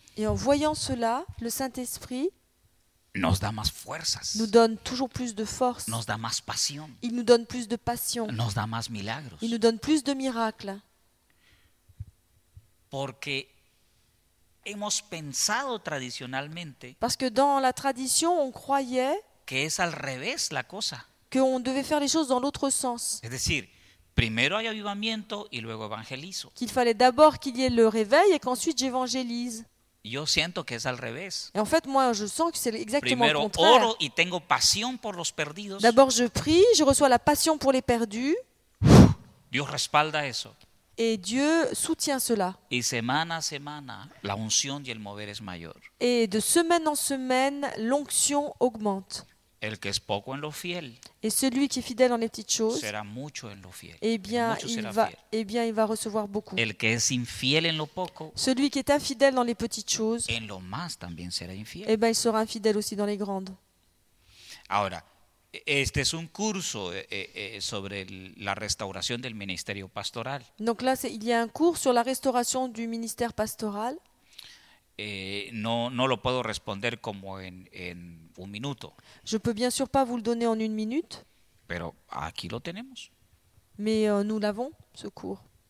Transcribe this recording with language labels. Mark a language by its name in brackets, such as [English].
[French] et en voyant cela, le Saint-Esprit [Spanish] nos da más fuerzas. [French] Nous donne toujours plus de force. [Spanish] Nos da más pasión. [French] Il nous donne plus de passion. [Spanish] Nos da más milagros. [French] Il nous donne plus de miracles. [Spanish] Porque hemos pensado tradicionalmente. [French] Parce que dans la tradition, on croyait [Spanish] que es al revés la cosa. [French] Que on devait faire les choses dans l'autre sens. [Spanish] Es decir, primero hay avivamiento y luego evangelizo. [French] Qu'il fallait d'abord qu'il y ait le réveil et qu'ensuite j'évangélise. [Spanish] Yo siento que es al revés. [French] Et en fait, moi, je sens que c'est exactement [Spanish] primero [French] le contraire. [Spanish] Primero oro y tengo pasión por los perdidos. [French] D'abord, je prie, je reçois la passion pour les perdus. [Spanish] Dios respalda eso. [French] Et Dieu soutient cela. [Spanish] Y semana a semana, la unción y el mover es mayor. [French] Et de semaine en semaine, l'onction augmente. [Spanish] El que es poco en lo fiel, [French] et celui qui est fidèle en les petites choses, [Spanish] será mucho en lo fiel. [French] Il va recevoir beaucoup. [Spanish] El que es infiel en lo poco, [French] celui qui est infidèle dans les petites choses, [Spanish] en lo más también será infiel. [French] Et ben, il sera infidèle aussi dans les grandes. [Spanish] Ahora, este es un curso sobre la restauración del ministerio pastoral. [French] Donc là, il y a un cours sur la restauration du ministère pastoral. [Spanish] No lo puedo responder como en un minuto. [French] Je peux bien sûr pas vous le donner en une minute. [Spanish] Pero aquí lo tenemos. [French] Mais nous l'avons, ce cours.